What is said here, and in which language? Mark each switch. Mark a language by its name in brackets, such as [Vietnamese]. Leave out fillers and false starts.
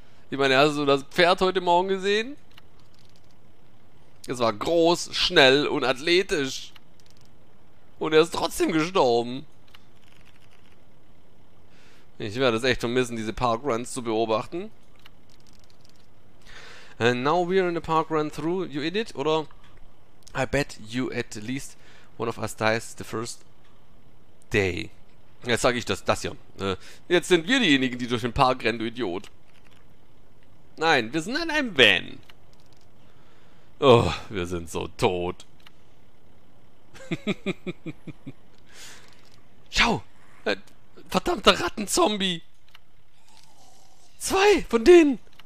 [German] Ich meine, hast du das Pferd heute Morgen gesehen? Es war groß, schnell und athletisch. Und er ist trotzdem gestorben. Ich werde es echt vermissen, diese Parkruns zu beobachten. [English] And now we're in a parkrun through, you idiot, [German] oder? [English] I bet you at least one of us dies the first day. [German] Jetzt sage ich das hier. Jetzt sind wir diejenigen, die durch den Park rennen, du Idiot. Nein, wir sind in einem Van. Oh, wir sind so tot. Schau! Ein verdammter Rattenzombie! Zwei von denen!